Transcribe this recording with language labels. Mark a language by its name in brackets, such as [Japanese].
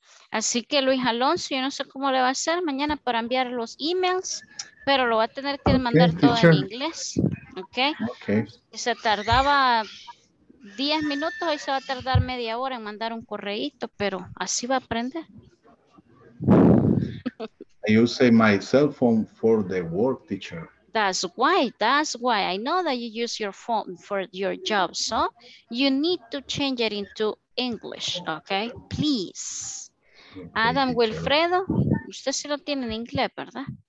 [Spanish] Así que Luis Alonso, yo no sé cómo le va a hacer mañana para enviar los emails, pero lo va a tener que mandar todo en inglés. Okay. Okay. Se tardaba 10 minutos, hoy se va a tardar media hora en mandar un correíto, pero así va a aprender. [English] I use my cell phone for the work, teacher. That's why. I know that you use your phone for your job, so you need to change it into English, okay? Please. [Spanish] Adam Wilfredo, usted sí lo tiene en inglés, ¿verdad?